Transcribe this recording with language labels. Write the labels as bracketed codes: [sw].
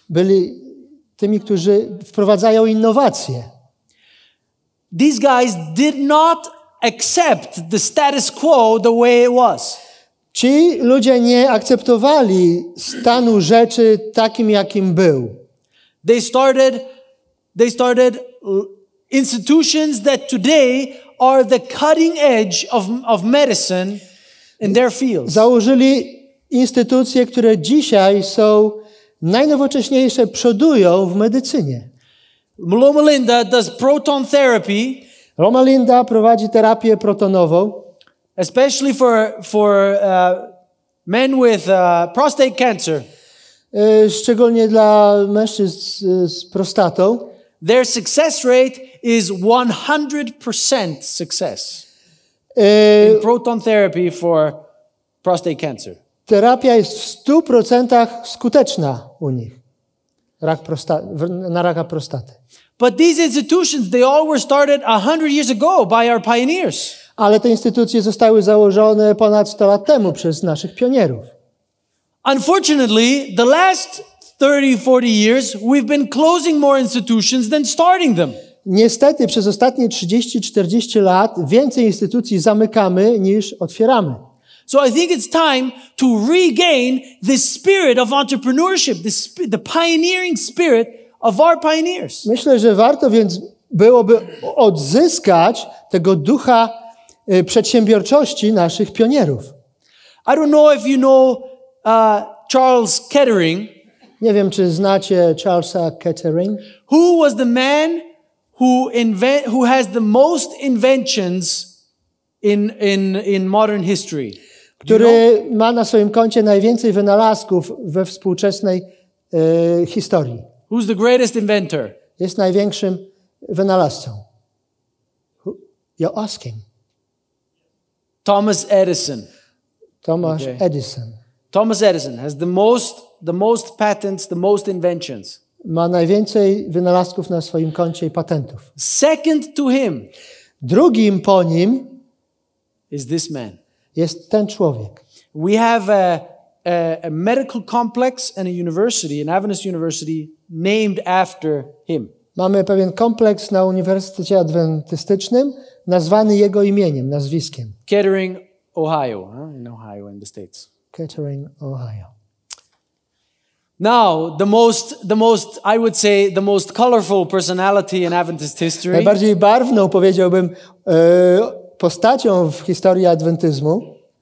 [pl] Byli tymi, którzy wprowadzają innowacje. [en] These guys did not accept the status quo the way it was. [pl] Ci ludzie nie akceptowali stanu rzeczy takim, jakim był. [en] They started institutions that today are the cutting edge of medicine in their fields. [pl] Założyli instytucje, które dzisiaj są najnowocześniejsze, przodują w medycynie. [en] Loma Linda does proton therapy. [pl] Loma Linda prowadzi terapię protonową. [en] Especially for men with prostate cancer. [pl] Szczególnie dla mężczyzn z prostatą. [en] Their success rate is 100% success. In proton therapy for prostate cancer. [pl] Terapia jest w 100% skuteczna u nich. Raka prostaty. [en] But these institutions, they all were started 100 years ago by our pioneers. [pl] Ale te instytucje zostały założone ponad 100 lat temu przez naszych pionierów. [en] Unfortunately, the last 30-40 years we've been closing more institutions than starting them. [pl] Niestety przez ostatnie 30-40 lat więcej instytucji zamykamy niż otwieramy. [en] So I think it's time to regain the spirit of entrepreneurship, the pioneering spirit of our pioneers. [pl] Myślę, że warto więc byłoby odzyskać tego ducha przedsiębiorczości naszych pionierów. [en] I don't know if you know Charles Kettering. [pl] Nie wiem, czy znacie Charlesa Kettering. [en] Who was the man who has the most inventions in modern history? [pl] Który ma na swoim koncie najwięcej wynalazków we współczesnej historii. [en] Who's the greatest inventor? [pl] Jest największym wynalazcą. [en] You're asking. Thomas Edison. Thomas okay. Edison. Thomas Edison has the most patents, the most inventions. [pl] Ma najwięcej wynalazków na swoim koncie i patentów. [en] Second to him. [pl] Drugim po nim [en] is this man. [pl] Jest ten człowiek. [en] We have a medical complex and a university, an Adventist university named after him. [pl] Mamy pewien kompleks na Uniwersytecie Adwentystycznym, nazwany jego imieniem, nazwiskiem. [en] Kettering, Ohio, huh? In Ohio in the States. [pl] Kettering, Ohio. [en] Now, the most, I would say, the most colorful personality in Adventist history. [pl] Najbardziej barwną, powiedziałbym, postacią w historii adwentyzmu.